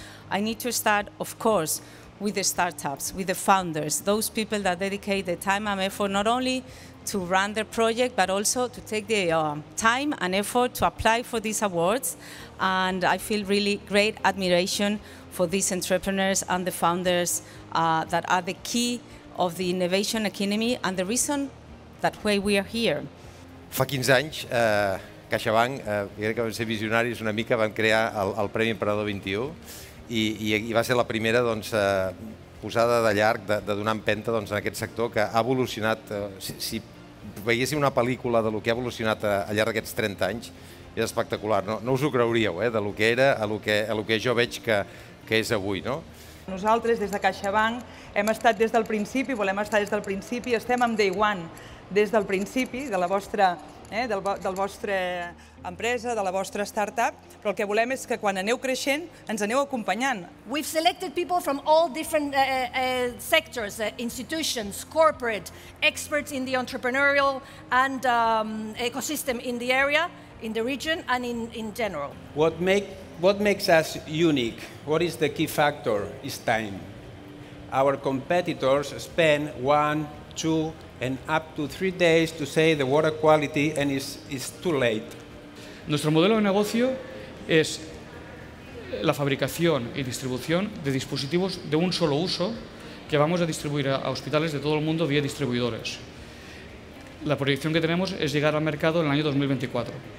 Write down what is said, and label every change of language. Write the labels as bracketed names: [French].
[English] I need to start, of course, with the startups, with the founders, those people that dedicate the time and effort not only to run their project, but also to take the time and effort to apply for these awards. And I feel really great admiration for these entrepreneurs and the founders that are the key of the innovation economy and the reason that why we are here. [Catalan] Fa 15 anys, CaixaBank, crec que vam ser visionaris una mica, vam crear el Premi Emprenedor 21 i va ser la primera doncs, posada de llarg de donar empenta doncs, en aquest sector que ha evolucionat, si veiéssim una pel·lícula de lo que ha evolucionat al llarg d'aquests 30 anys, és espectacular, no us ho creuríeu, de lo que era a lo que jo veig que és avui, no? Nosaltres, des de CaixaBank, hem estat des del principi, volem estar des del principi, estem amb DayOne des del principi de la vostra, del vostre empresa, de la vostra startup, però el que volem és que quan aneu creixent, ens aneu acompanyant. [English] We've selected people from all different sectors, institutions, corporate, experts in the entrepreneurial and ecosystem in the area, in the region and in general. What makes us unique? What is the key factor? Is time. Our competitors spend 1, 2, and up to 3 days to say the water quality and it's too late. [Spanish] Nuestro modelo de negocio es la fabricación y distribución de dispositivos de un solo uso que vamos a distribuir a hospitales de todo el mundo vía distribuidores. La proyección que tenemos es llegar al mercado en el año 2024.